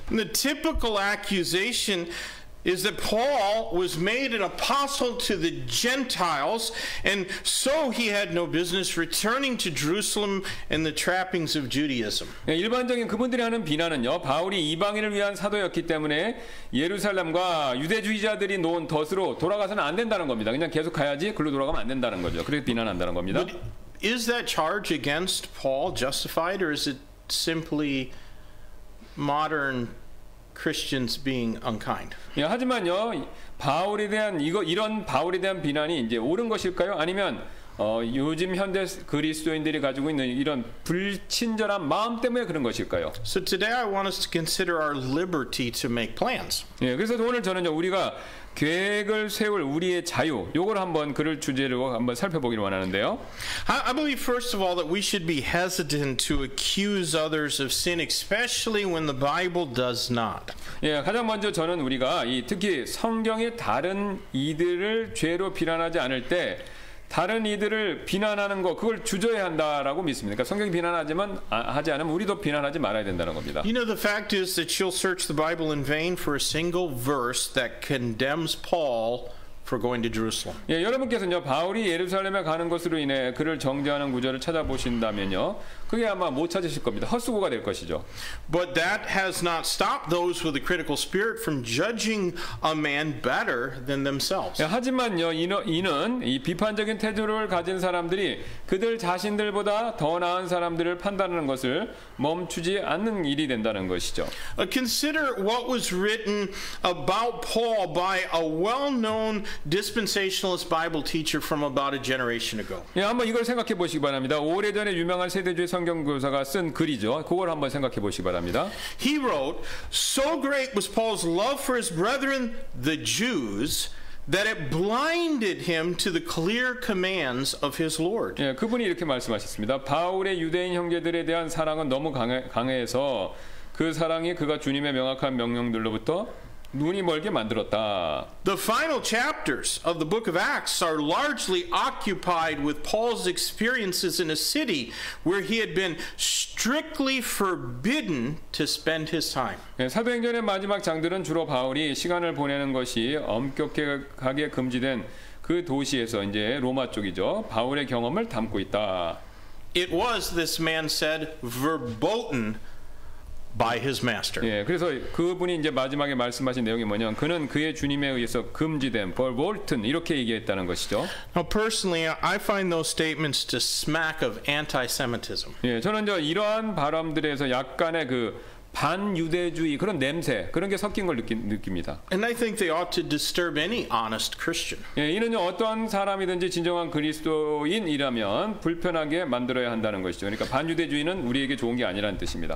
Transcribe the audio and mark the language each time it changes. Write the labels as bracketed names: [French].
[English] The typical accusation is that Paul was made an apostle to the Gentiles, and so he had no business returning to Jerusalem and the trappings of Judaism. [Korean] 일반적인 그분들이 하는 비난은요, 바울이 이방인을 위한 사도였기 때문에 예루살렘과 유대주의자들이 놓은 덫으로 돌아가서는 안 된다는 겁니다. 그냥 계속 가야지, 글로 돌아가면 안 된다는 거죠. 그래서 비난한다는 겁니다. [English] Is that charge against Paul justified, or is it simply modern Christians being unkind? [Korean] 예, 하지만요, 바울에 대한 이거 이런 바울에 대한 비난이 이제 옳은 것일까요? 아니면 요즘 현대 그리스도인들이 가지고 있는 이런 불친절한 마음 때문에 그런 것일까요? [English] So today I want us to consider our liberty to make plans. [Korean] 예, 그래서 오늘 저는요 우리가 계획을 세울 우리의 자유, 요걸 한번 그를 주제로 한번 살펴보기를 원하는데요. [English] I believe first of all that we should be hesitant to accuse others of sin, especially when the Bible does not. [Korean] 예, 가장 먼저 저는 우리가 이 특히 성경의 다른 이들을 죄로 비난하지 않을 때 다른 이들을 비난하는 거 그걸 주저해야 한다라고 믿습니다. 그러니까 성경이 비난하지만 하지 않으면 우리도 비난하지 말아야 된다는 겁니다. [English] You know the fact is that you'll search the Bible in vain for a single verse that condemns Paul for going to Jerusalem. [Korean] 예, 여러분께서는요 바울이 예루살렘에 가는 것으로 인해 그를 정죄하는 구절을 찾아보신다면요 그게 아마 못 찾으실 겁니다. 헛수고가 될 것이죠. [English] But that has not stopped those with a critical spirit from judging a man better than themselves. [Korean] 예, 하지만요 이는 이 비판적인 태도를 가진 사람들이 그들 자신들보다 더 나은 사람들을 판단하는 것을 멈추지 않는 일이 된다는 것이죠. [English] Consider what was written about Paul by a well-known dispensationalist Bible teacher from about a generation ago. [Korean] 예, 한번 이걸 생각해 보시기 바랍니다. 오래전에 유명한 세대주의 성경 교사가 쓴 글이죠. 그걸 한번 생각해 보시기 바랍니다. [English] He wrote, "So great was Paul's love for his brethren, the Jews, that it blinded him to the clear commands of his Lord." [Korean] 예, 그분이 이렇게 말씀하셨습니다. 바울의 유대인 형제들에 대한 사랑은 너무 강해서 그 사랑이 그가 주님의 명확한 명령들로부터 눈이 멀게 만들었다. [English] The final chapters of the book of Acts are largely occupied with Paul's experiences in a city where he had been strictly forbidden to spend his time. [Korean] 네, 사도행전의 마지막 장들은 주로 바울이 시간을 보내는 것이 엄격하게 금지된 그 도시에서 이제 로마 쪽이죠. 바울의 경험을 담고 있다. [English] It was, this man said, verboten by his master. [Korean] 예, 그래서 그분이 이제 마지막에 말씀하신 내용이 뭐냐면 그는 그의 주님에 의해서 금지된 벌볼튼 이렇게 얘기했다는 것이죠. [English] Now personally, I find those statements to smack of anti-Semitism. [Korean] 예, 저는 이제 이러한 발언들에서 약간의 그 반유대주의 그런 냄새 그런 게 섞인 걸 느낍니다. [English] And I think they ought to disturb any honest Christian. [Korean] 예, 이는요 어떤 사람이든지 진정한 그리스도인이라면 불편하게 만들어야 한다는 것이죠. 그러니까 반유대주의는 우리에게 좋은 게 아니라는 뜻입니다.